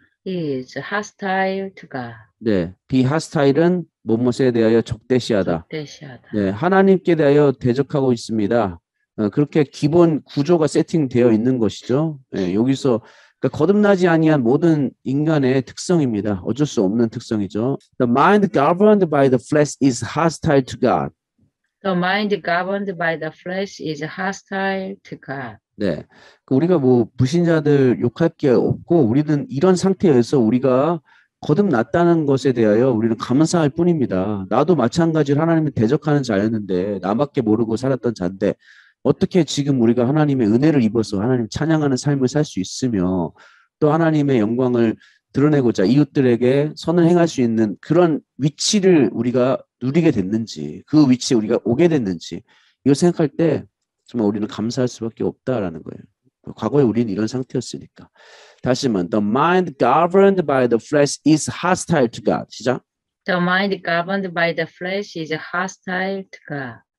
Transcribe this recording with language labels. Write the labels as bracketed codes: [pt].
[en] Is hostile to God. [ko] 네, [en] be hostile [ko] 은 무엇에 대하여 적대시하다. 적대시하다. 네, 하나님께 대하여 대적하고 있습니다. 그렇게 기본 구조가 세팅되어 있는 것이죠. 네, 여기서 그러니까 거듭나지 아니한 모든 인간의 특성입니다. 어쩔 수 없는 특성이죠. [en] The mind governed by the flesh is hostile to God. The mind governed by the flesh is hostile to God. [ko] 네, 우리가 뭐 부신자들 욕할 게 없고 우리는 이런 상태에서 우리가 거듭났다는 것에 대하여 우리는 감사할 뿐입니다. 나도 마찬가지로 하나님을 대적하는 자였는데 나밖에 모르고 살았던 자인데 어떻게 지금 우리가 하나님의 은혜를 입어서 하나님 찬양하는 삶을 살 수 있으며 또 하나님의 영광을 드러내고자 이웃들에게 선을 행할 수 있는 그런 위치를 우리가 누리게 됐는지 그 위치에 우리가 오게 됐는지 이거 생각할 때 정말 우리는 감사할 수밖에 없다라는 거예요. 과거에 우리는 이런 상태였으니까. 다시 한번 [en] The mind governed by the flesh is hostile to God. [ko] 시작. [en] The mind governed by the flesh is hostile to God.